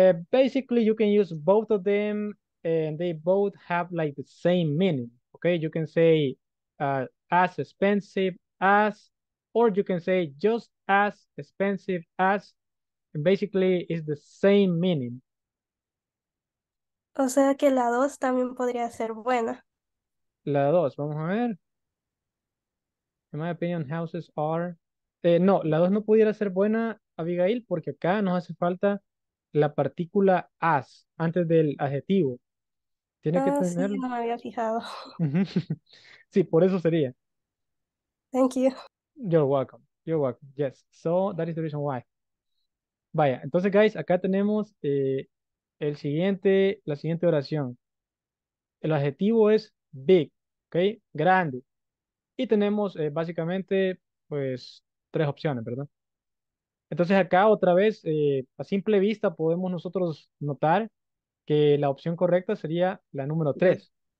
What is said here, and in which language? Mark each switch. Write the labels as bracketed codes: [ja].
[en] Basically, you can use both of them, and they both have like the same meaning, okay? You can say as expensive as, or you can say just as expensive as, and basically it's the same meaning. [es] O sea que la dos también podría ser buena. La dos, vamos a ver. [en] In my opinion, houses are... [es] no, la dos no pudiera ser buena, Abigail, porque acá nos hace falta la partícula as, antes del adjetivo. Tiene que tener... Sí, no me había fijado. Sí, por eso sería. [en] Thank you. You're welcome. You're welcome. Yes. So that is the reason why. [es] Vaya, entonces, guys, acá tenemos la siguiente oración. El adjetivo es big, ¿ok? Grande. Y tenemos básicamente, pues, tres opciones, ¿verdad? Entonces, acá otra vez, a simple vista, podemos nosotros notar que la opción correcta sería la número tres.